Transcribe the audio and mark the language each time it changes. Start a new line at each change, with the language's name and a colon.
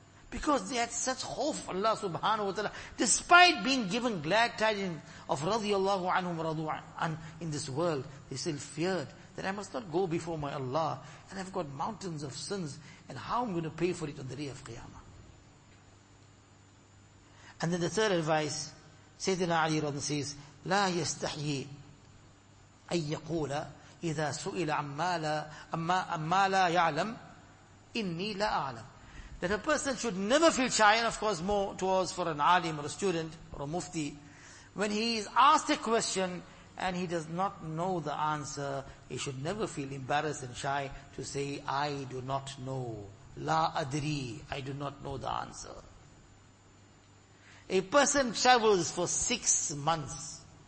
English: Because they had such khawf of Allah subhanahu wa ta'ala, despite being given glad tidings of radiallahu anhum radu an in this world, they still feared that I must not go before my Allah, and I've got mountains of sins, and how I'm going to pay for it on the day of Qiyamah. And then the third advice, Sayyidina Ali Radha says,
Arabic: لا يستحي أن يقول إذا سئل عما لا يعلم إني لا أعلم.
English: That a person should never feel shy, and of course more towards for an alim or a student or a mufti, when he is asked a question and he does not know the answer, he should never feel embarrassed and shy to say, I do not know.
Arabic: La adri,
English: I do not know the answer. A person travels for 6 months,